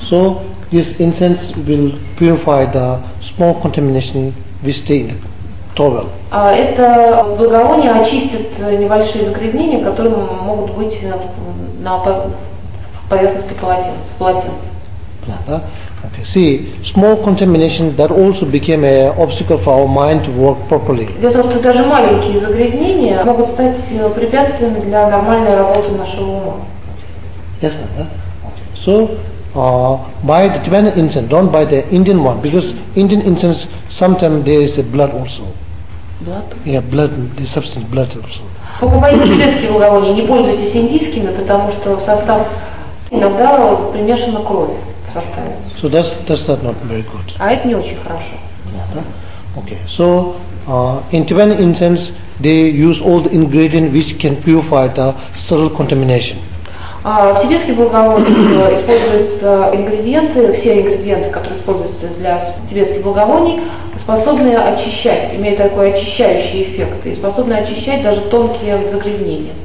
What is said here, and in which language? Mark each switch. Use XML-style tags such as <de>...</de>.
<en>So this incense will purify the small contamination we stay in the towel.</en> <ru>Это благовоние очистит небольшие загрязнения, которые могут быть на поверхности полотенца.</ru> <en>Okay. See, small contamination that also became an obstacle for our mind to work properly.</en> <ru>Дело в том, что даже маленькие загрязнения могут стать препятствием для нормальной работы нашего ума.</ru> <en>Yes, sir. So, buy the Tibetan incense, don't buy the Indian one, because Indian incense sometimes there is a blood also. Blood? Yeah, blood, the substance blood also.</en> <ru>Покупайте тибетские благовония, не пользуйтесь индийскими, потому что в состав иногда примешана кровь.</ru> <en>So that's not very good.</en> <ru>А это не очень хорошо.</ru> <en>Okay. So in Tibetan incense they use all the ingredients which can purify the subtle contamination.</en> <ru>В тибетских благовониях используются ингредиенты, все ингредиенты, которые используются для тибетских благовоний, способны очищать, имеют такой очищающий эффект и способны очищать даже тонкие загрязнения.</ru>